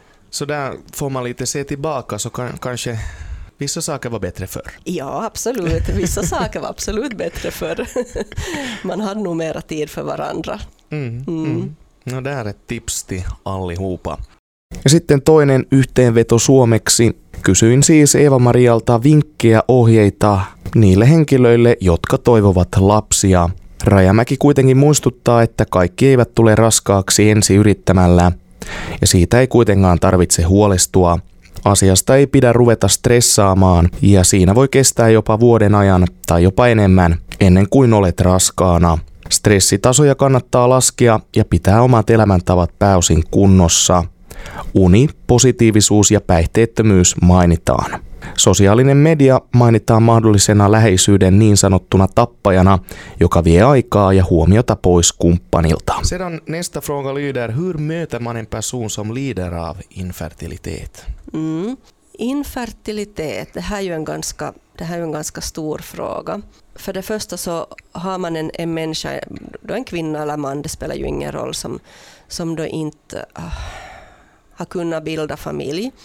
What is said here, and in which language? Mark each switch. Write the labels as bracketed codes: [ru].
[sv] Så där får man lite se tillbaka så kanske vissa saker var bättre förr. Ja, absolut. Vissa saker var absolut bättre förr. Man hade nog mera tid för varandra. No, där är ett tips till allihopa. [fi] Ja sitten toinen yhteenveto suomeksi. Kysyin siis Eeva-Marialta vinkkejä ohjeita niille henkilöille, jotka toivovat lapsia. Rajamäki kuitenkin muistuttaa, että kaikki eivät tule raskaaksi ensi yrittämällä. Ja siitä ei kuitenkaan tarvitse huolestua. Asiasta ei pidä ruveta stressaamaan ja siinä voi kestää jopa vuoden ajan tai jopa enemmän ennen kuin olet raskaana. Stressitasoja kannattaa laskea ja pitää omat elämäntavat pääosin kunnossa. Uni, positiivisuus ja päihteettömyys mainitaan. Sosiaalinen media mainitaan mahdollisena läheisyyden niin sanottuna tappajana, joka vie aikaa ja huomiota pois kumppanilta. [sv] Sedan nästa fråga lyder, hur möter man en person som lider av infertilitet? Infertilitet, det här är ju en ganska stor fråga. För det första så har man en människa, då en kvinna eller man, det spelar ju ingen roll, som då inte har kunnat bilda familj.